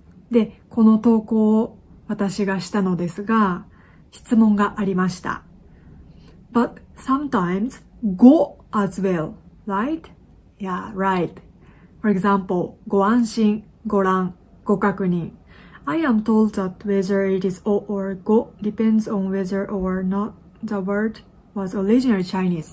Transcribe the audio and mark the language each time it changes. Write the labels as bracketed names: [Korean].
[Japanese] で、この投稿を私がしたのですが、質問がありました。 [English] But sometimes go as wellRight? Yeah, right. For example, [Japanese] ご安心、ご覧、ご確認。 [English] I am told that whether it is o or go depends on whether or not the word was originally Chinese.